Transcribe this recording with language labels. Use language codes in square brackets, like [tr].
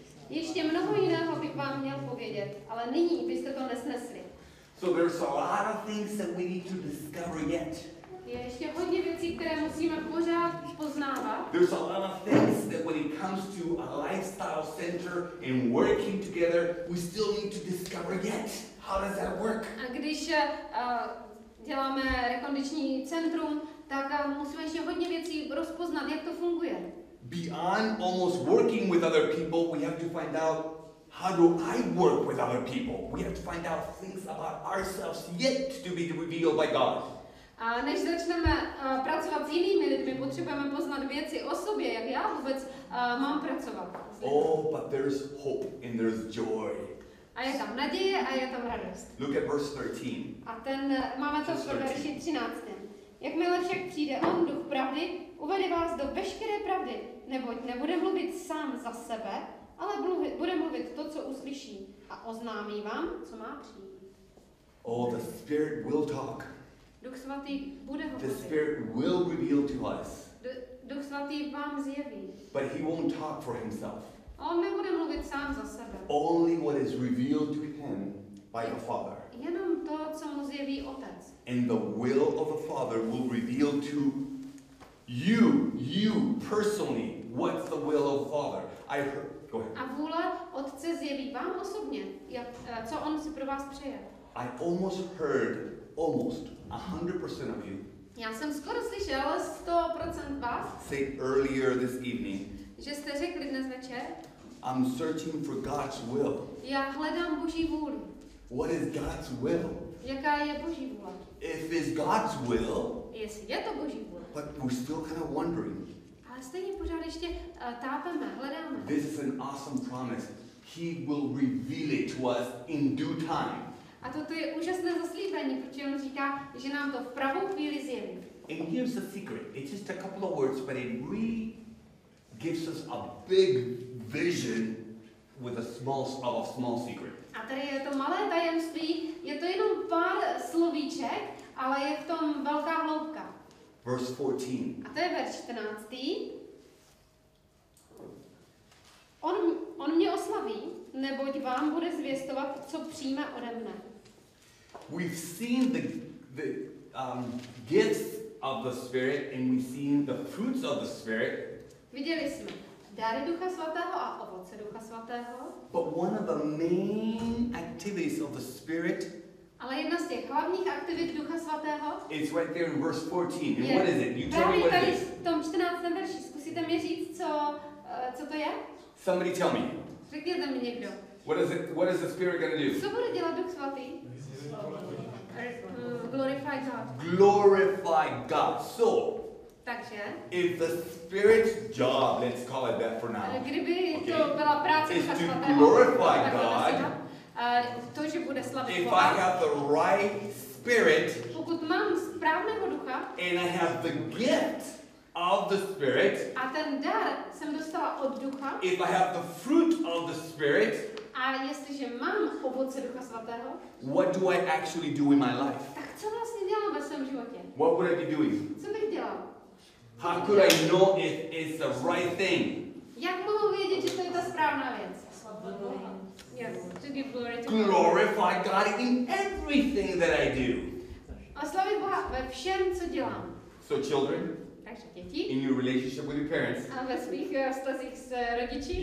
[cs] Ještě mnoho jiného bych vám měl povědět, ale nyní byste to nesnesli. [en] So there's a lot of things that we need to discover yet. [cs] Je ještě hodně věcí, které musíme pořád poznávat. [en] There's a lot of things that when it comes to a lifestyle center and working together, we still need to discover yet. How does that work? [cs] A když děláme rekondiční centrum, tak musíme ještě hodně věcí rozpoznat, jak to funguje. [en] Beyond almost working with other people, we have to find out, how do I work with other people? We have to find out things about ourselves yet to be revealed by God. [cs] A než začneme pracovat s jinými lidmi, potřebujeme poznat věci o sobě, jak já vůbec mám pracovat. [en] Oh, but there's hope and there's joy. [cs] A je tam naděje a je tam radost. [en] Look at verse 13. [cs] A ten, máme to v verši 13. Jakmile však přijde on, duch pravdy, uvede vás do veškeré pravdy, neboť nebude mluvit sám za sebe, ale bude mluvit to, co uslyší a oznámí vám, co má přijít. [en] Oh, the Spirit will talk. [cs] Duch svatý bude hovořit. [en] The Spirit will reveal to us. [cs] Duch svatý vám zjeví. [en] But he won't talk for himself. [cs] On nebude mluvit sám za sebe. [en] Only what is revealed to him by the Father. [cs] Jenom to, co mu zjeví Otec. [en] And the will of the Father will reveal to you, you personally, what's the will of the Father. I heard. Go ahead. [cs] A vůle Otce zjeví vám osobně, co on si pro vás přeje. [en] I almost heard almost 100% of you. [cs] Já jsem skoro slyšel 100% vás. [en] Say earlier this evening. [cs] Že jste řekli dnes večer. [en] I'm searching for God's will. [cs] Já hledám Boží vůli. [en] What is God's will? [cs] Jaká je Boží vůle? [en] If it's God's will. [cs] Jestli je to Boží vůle. [en] But we're still kind of wondering. [cs] Ale stejně pořád ještě tápeme, hledáme. [en] This is an awesome promise. He will reveal it to us in due time. [cs] A toto je úžasné zaslíbení, protože on říká, že nám to v pravou chvíli zjeví. [en] And here's the secret. It's just a couple of words, but it really gives us a big vision with a small secret. [cs] A tady je to malé tajemství, je to jenom pár slovíček, ale je v tom velká hloubka. [en] Verse 14. [cs] A to je verš 14. On mě oslaví, neboť vám bude zvěstovat, co přijme ode mne. [en] We've seen the gifts of the Spirit and we've seen the fruits of the Spirit. [cs] Viděli jsme dary Ducha Svatého a ovoce Ducha Svatého. [en] But one of the main activities of the Spirit. [cs] Ale jedna z těch hlavních aktivit Ducha Svatého. [en] It's right there in verse 14. And what is it? You tell me what it is. [cs] Právě tady v tom 14. verši. Zkusíte mi říct, co to je? [en] Somebody tell me. [cs] Řekněte mi někdo. [en] What is the Spirit going to do? [cs] Co bude dělat Duch Svatý? [en] Glorify God. Glorify God. So, [cs] takže, [en] if the Spirit's job, let's call it that for now, [cs] kdyby okay, to byla práce [en] is to glorify God, [cs] to, že bude slavit [en] if [cs] Boha, [en] I have the right Spirit, [cs] pokud mám správného ducha, [en] and I have the gift of the Spirit, [cs] a ten dar jsem dostala od ducha, [en] if I have the fruit of the Spirit, [cs] a jestliže mám ovoce Ducha Svatého, [en] what do I actually do in my life? [cs] Tak co vlastně dělám ve svém životě? [en] What would I be doing? [cs] Co bych dělal? [en] How could I know if it's the right thing? [cs] Jak mohu vědět, že to je ta správná věc? [en] Yes, to give glory to God. Glorify God in everything that I do. [cs] Oslavit Boha ve všem, co dělám. [en] So children, [cs] takže děti, [en] in your relationship with your parents, [cs] a ve svých vztazích s rodiči,